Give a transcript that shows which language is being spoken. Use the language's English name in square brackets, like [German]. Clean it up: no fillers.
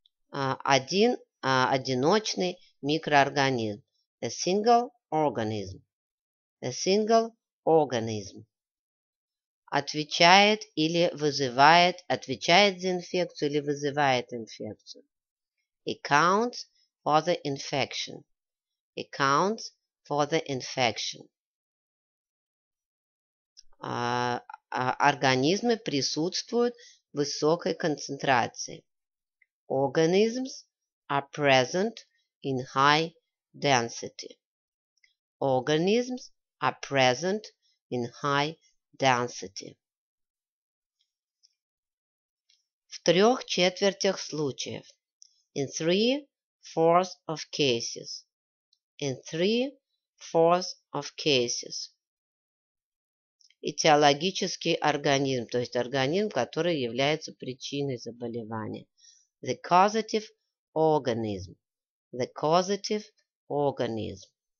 [Russian] Один одиночный микроорганизм. [English] A single organism. A single organism. [Russian] Отвечает или вызывает, отвечает за инфекцию или вызывает инфекцию. [English] Accounts for the infection. Accounts for the infection. [Russian] Организмы присутствуют в высокой концентрации. [English] Organisms are present in high density. Organisms are present in high density. [Russian] В трех четвертях случаев. [English] In three-fourths of cases. In three-fourths of cases. [Russian] Этиологический организм, то есть организм, который является причиной заболевания. [English] The causative organism. The causative organism.